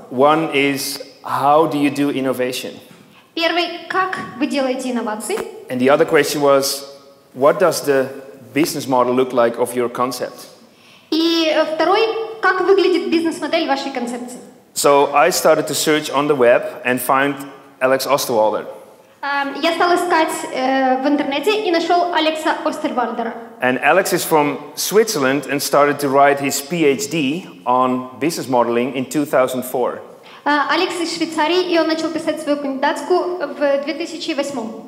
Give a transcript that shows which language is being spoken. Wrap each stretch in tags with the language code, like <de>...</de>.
<en>One is, how do you do innovation?</en> <ru>Первый, как вы делаете инновации?</ru> <en>And the other question was, what does the business model look like of your concept?</en> <ru>И второй, как выглядит бизнес-модель вашей концепции?</ru> <en>So I started to search on the web and find Alex Osterwalder.</en> <ru>Я стал искать в интернете и нашел Алекса Остервальдера.</ru> <en>And Alex is from Switzerland and started to write his PhD on business modeling in 2004.</en> <ru>Алекс из Швейцарии, и он начал писать свою кандидатскую в 2008.</ru>